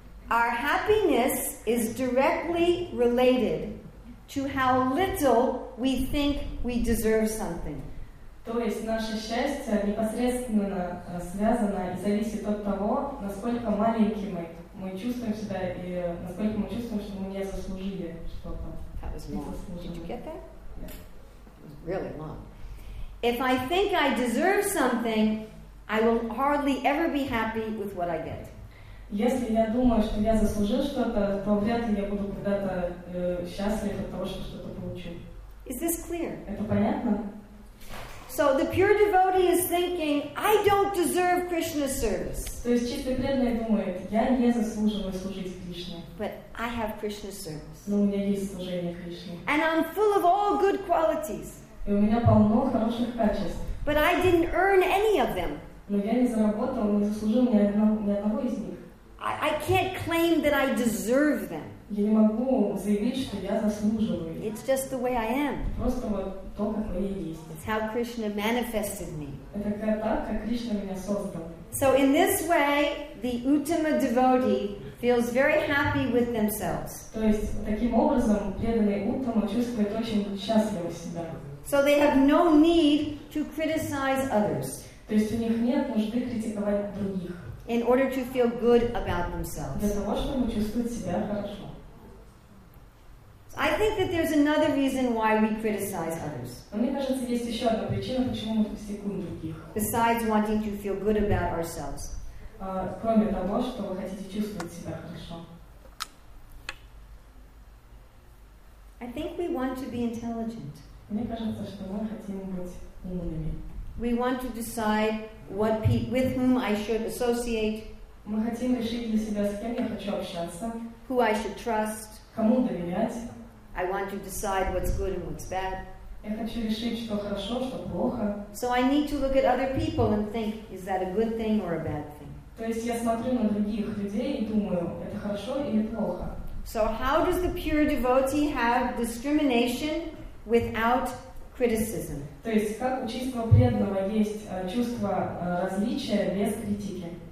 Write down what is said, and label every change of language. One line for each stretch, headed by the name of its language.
English: Our happiness is directly related to how little we think we deserve something.
Russian: То есть наше счастье непосредственно связано и зависит от того, насколько маленькие мы чувствуем себя и насколько мы чувствуем, что мы не заслужили что-то.
English: That was long. Did you get that? Yeah. It was really long. If I think I deserve something, I will hardly ever be happy with what I get.
Russian: Если я думаю, что я заслужил что-то, то вряд ли я буду когда-то счастлив от того, что что-то получу.
English: Is this clear?
Russian: Это понятно?
English: So the pure devotee is thinking, I don't deserve Krishna's service.
Russian: То есть чистый преданный думает, я не заслуживаю служить Кришне.
English: But I have Krishna's service.
Russian: Но у меня есть служение Кришне.
English: And I'm full of all good qualities.
Russian: И у меня полно хороших качеств.
English: But I didn't earn any of them.
Russian: Но я не заработал, не заслужил ни одного из них.
English: I can't claim that I deserve them.
Russian: Я не могу заявить, что я заслуживаю.
English: It's just the way I am.
Russian: Просто вот то, как я есть.
English: It's how Krishna manifested me.
Russian: Это так, как Кришна меня создал.
English: So in this way, the Uttama devotee feels very happy with themselves.
Russian: То есть таким образом преданный Уттама чувствует очень счастливо себя.
English: So they have no need to criticize others.
Russian: То есть у них нет нужды критиковать других.
English: In order to feel good about themselves.
Russian: Для того, чтобы чувствовать себя хорошо.
English: So I think that there's another reason why we criticize others.
Russian: Мне кажется, есть еще одна причина, почему мы критикуем других.
English: Besides wanting to feel good about ourselves.
Russian: Кроме того, что вы хотите чувствовать себя хорошо.
English: I think we want to be intelligent.
Russian: Мне кажется, что мы хотим быть умными.
English: We want to decide what with whom I should associate.
Russian: Мы хотим решить для себя, с кем я хочу общаться.
English: Who I should trust.
Russian: Кому доверять.
English: I want to decide what's good and what's bad.
Russian: Я хочу решить, что хорошо, что плохо.
English: So I need to look at other people and think, is that a good thing or a bad thing?
Russian: То есть я смотрю на других людей и думаю, это хорошо или плохо.
English: So how does the pure devotee have discrimination without criticism?
Russian: То есть, как у чистого преданного есть чувство различия без критики?